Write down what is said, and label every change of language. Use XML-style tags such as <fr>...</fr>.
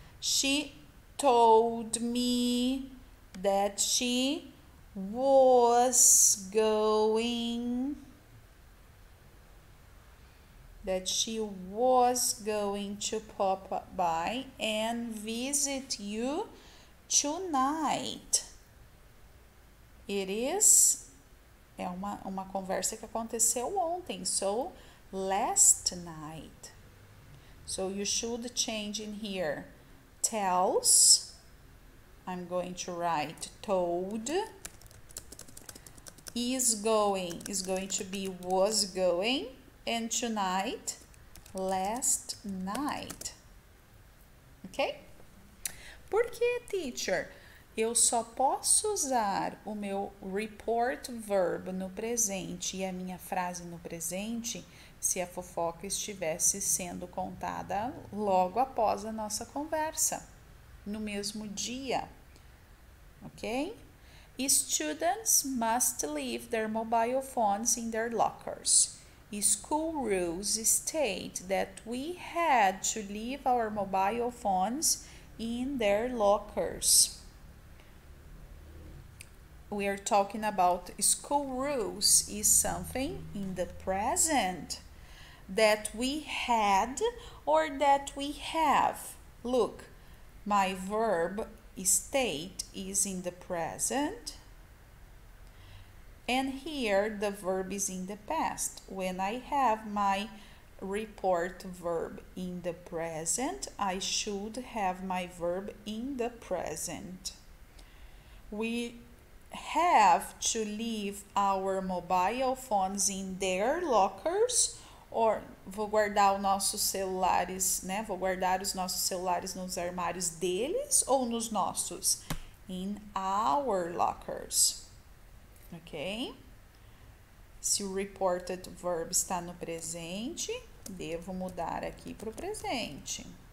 <en>She told me that she was going. That she was going to pop by and visit you tonight. It is,</en> <pt>é uma conversa que aconteceu ontem.</pt> <en>So, last night. So, you should change in here. Tells. I'm going to write told. Is going to be was going. And tonight, last night. Ok?</en> <pt>Por que, teacher? Eu só posso usar o meu report verb no presente e a minha frase no presente se a fofoca estivesse sendo contada logo após a nossa conversa, no mesmo dia. Ok?</pt> <en>Students must leave their mobile phones in their lockers. School rules state that we had to leave our mobile phones in their lockers. We are talking about school rules is something in the present that we had or that we have. Look, my verb state is in the present. And here the verb is in the past. When I have my report verb in the present, I should have my verb in the present. We have to leave our mobile phones in their lockers, or</en> <pt>vou guardar os nossos celulares, né? Vou guardar os nossos celulares nos armários deles ou nos nossos?</pt> <en>In our lockers. Ok?</en> <pt>Se o reported verb está no presente, devo mudar aqui para o presente.</pt>